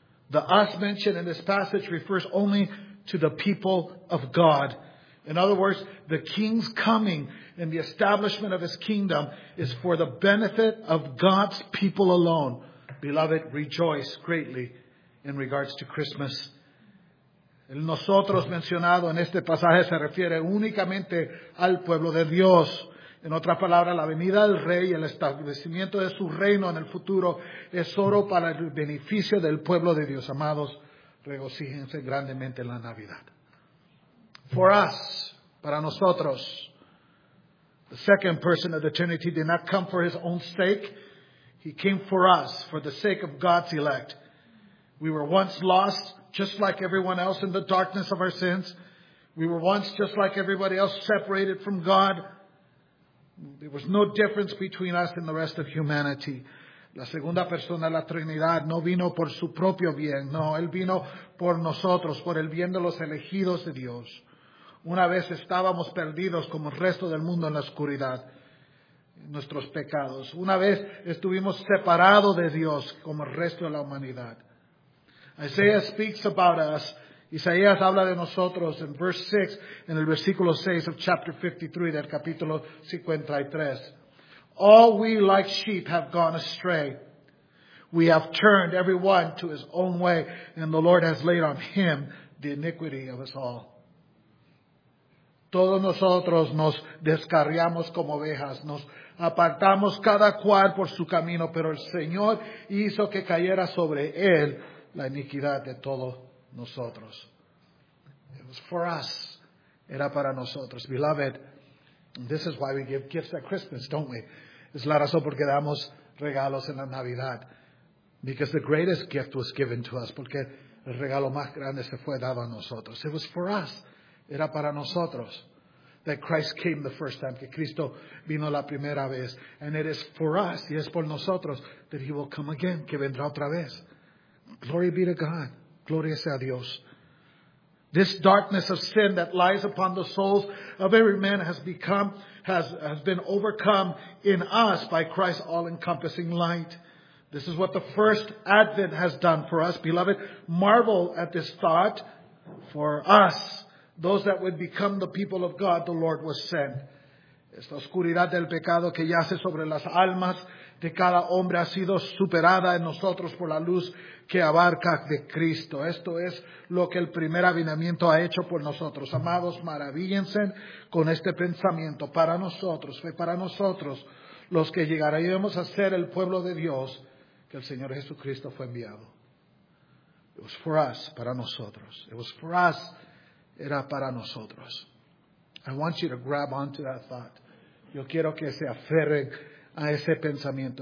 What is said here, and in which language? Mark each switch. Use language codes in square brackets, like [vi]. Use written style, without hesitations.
[en] The us mentioned in this passage refers only to the people of God. In other words, the king's coming and the establishment of his kingdom is for the benefit of God's people alone. Beloved, rejoice greatly in regards to Christmas. [es] El nosotros mencionado en este pasaje se refiere únicamente al pueblo de Dios. En otra palabra, la venida del rey y el establecimiento de su reino en el futuro es solo para el beneficio del pueblo de Dios. Amados, regocíjense grandemente en la Navidad. [en] For us, [es] para nosotros, [en] the second person of the Trinity did not come for his own sake. He came for us, for the sake of God's elect. We were once lost, just like everyone else, in the darkness of our sins. We were once, just like everybody else, separated from God. There was no difference between us and the rest of humanity. [es] La segunda persona de la Trinidad no vino por su propio bien. No, él vino por nosotros, por el bien de los elegidos de Dios. Una vez estábamos perdidos como el resto del mundo en la oscuridad, en nuestros pecados. Una vez estuvimos separados de Dios como el resto de la humanidad. [en] Isaiah speaks about us. [es] Isaías habla de nosotros en [en] verse 6, [es] en el versículo 6 [en] of chapter 53, [es] del capítulo 53. [en] All we like sheep have gone astray. We have turned everyone to his own way, and the Lord has laid on him the iniquity of us all. [es] Todos nosotros nos descarriamos como ovejas, nos apartamos cada cual por su camino, pero el Señor hizo que cayera sobre él la iniquidad de todos nosotros. [en] It was for us. [es] Era para nosotros. [en] Beloved, this is why we give gifts at Christmas, don't we? [es] Es la razón por que damos regalos en la Navidad. [en] Because the greatest gift was given to us. [es] Porque el regalo más grande se fue dado a nosotros. [en] It was for us. [es] Era para nosotros. [en] That Christ came the first time. [es] Que Cristo vino la primera vez. [en] And it is for us. [es] Y es por nosotros. [en] That he will come again. [es] Que vendrá otra vez. [en] Glory be to God. [es] Gloria sea a Dios. [en] This darkness of sin that lies upon the souls of every man has been overcome in us by Christ's all-encompassing light. This is what the first Advent has done for us, beloved. Marvel at this thought. For us, those that would become the people of God, the Lord was sent. [es] Esta oscuridad del pecado que yace sobre las almas de cada hombre ha sido superada en nosotros por la luz que abarca de Cristo. Esto es lo que el primer avivamiento ha hecho por nosotros. Amados, maravíllense con este pensamiento. Para nosotros, fue para nosotros los que llegaremos a ser el pueblo de Dios que el Señor Jesucristo fue enviado. [en] It was for us, [es] para nosotros. [en] It was for us, [es] era para nosotros. [en] I want you to grab onto that thought. [es] Yo quiero que se aferren a ese pensamiento.